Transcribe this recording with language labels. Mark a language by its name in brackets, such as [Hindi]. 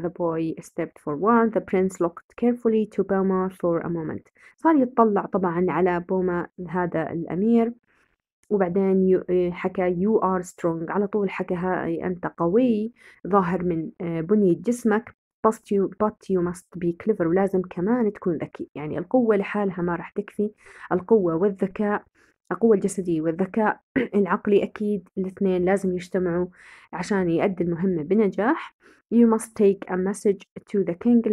[English] The boy stepped forward. The prince looked carefully to Boma for a moment. [Arabic] صار يتطلع طبعا على بوما هذا الأمير. وبعدين حكى you are strong. على طول حكى هاي أنت قوي, ظاهر من بنية جسمك. [English] But you must be clever. ولازم كمان تكون ذكي. [Arabic] يعني القوة لحالها ما رح تكفي. القوة والذكاء, القوة الجسدية والذكاء العقلي, أكيد الاثنين لازم يجتمعوا عشان يؤدي المهمة بنجاح. [English] You must take a message to the king.